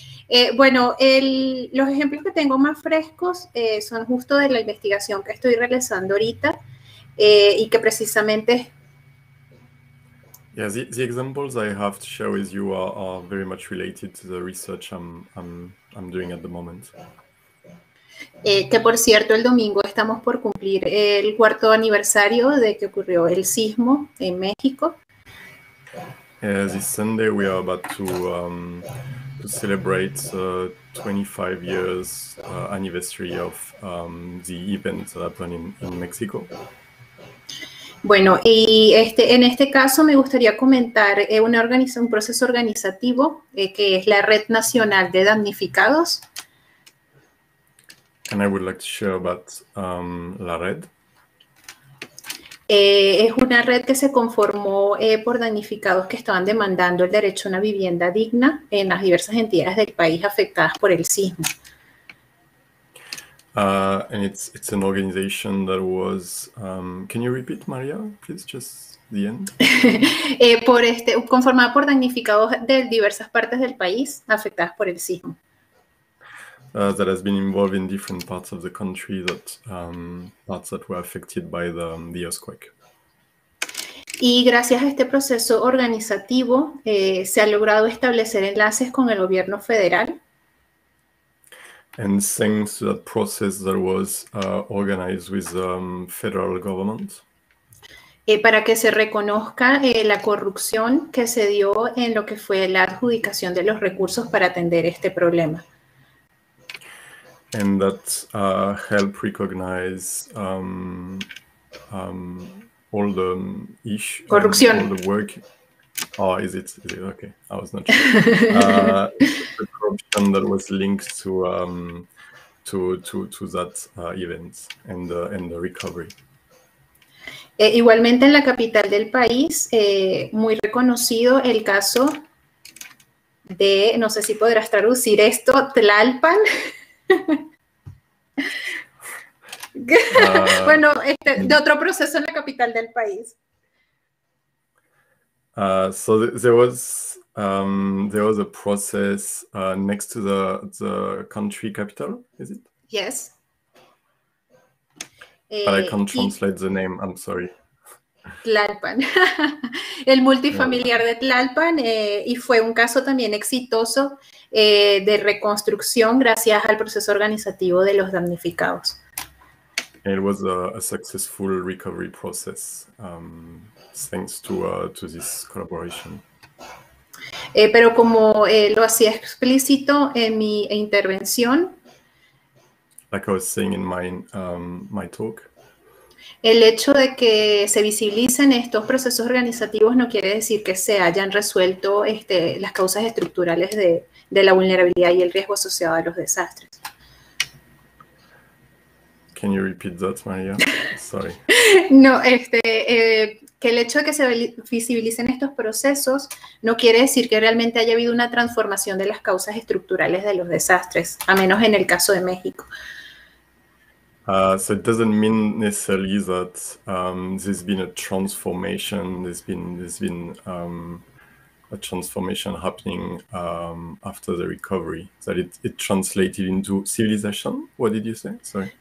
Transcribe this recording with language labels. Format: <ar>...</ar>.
<es>Los ejemplos que tengo más frescos son justo de la investigación que estoy realizando ahorita y que precisamente.</es> <en>Yeah, the examples I have to share with you are very much related to the research I'm doing at the moment.</en> <es>Que por cierto, el domingo estamos por cumplir el cuarto aniversario de que ocurrió el sismo en México.</es> <en>This Sunday we are about to celebrate 25 years anniversary of the event that happened in Mexico.</en> <es>Bueno, y este, en este caso me gustaría comentar un proceso organizativo que es la Red Nacional de Damnificados.</es> <en>And I would like to share about La Red.</en> <es>Es una red que se conformó por damnificados que estaban demandando el derecho a una vivienda digna en las diversas entidades del país afectadas por el sismo.</es> <en>And it's an organization that was, can you repeat, Maria, please, just the end?</en> <es>conformada por damnificados de diversas partes del país afectadas por el sismo.</es> <en>That has been involved in different parts of the country, that parts that were affected by the earthquake.</en> <es>Y gracias a este proceso organizativo, se ha logrado establecer enlaces con el gobierno federal.</es> <en>And thanks to that process that was organized with the federal government.</en> <es>Para que se reconozca la corrupción que se dio en lo que fue la adjudicación de los recursos para atender este problema.</es> <en>And that help recognize all the issues.</en> <es>Corrupción.</es> <en>All the work. Oh, is it? Okay, I was not sure. the corruption that was linked to that event and the recovery.</en> <es>Igualmente en la capital del país, muy reconocido el caso de, no sé si podrás traducir esto, Tlalpan. bueno, de otro proceso en la capital del país.</es> <en>So there was a process next to the country capital, is it? Yes. But I can't translate the name, I'm sorry.</en> <es>Tlalpan. El multifamiliar de Tlalpan y fue un caso también exitoso de reconstrucción gracias al proceso organizativo de los damnificados.</es> <en>It was a successful recovery process thanks to this collaboration.</en> <es>Pero como lo hacía explícito en mi intervención,</es> <en>like I was saying in my talk,</en> <es>el hecho de que se visibilicen estos procesos organizativos no quiere decir que se hayan resuelto las causas estructurales de la vulnerabilidad y el riesgo asociado a los desastres.</es> <en>Can you repeat that, Maria? Sorry.</en> <es>No, que el hecho de que se visibilicen estos procesos no quiere decir que realmente haya habido una transformación de las causas estructurales de los desastres, a menos en el caso de México.</es> <en>So it doesn't mean necessarily that there's been a transformation. There's been a transformation happening after the recovery. That it translated into civilization. What did you say? Sorry.</en>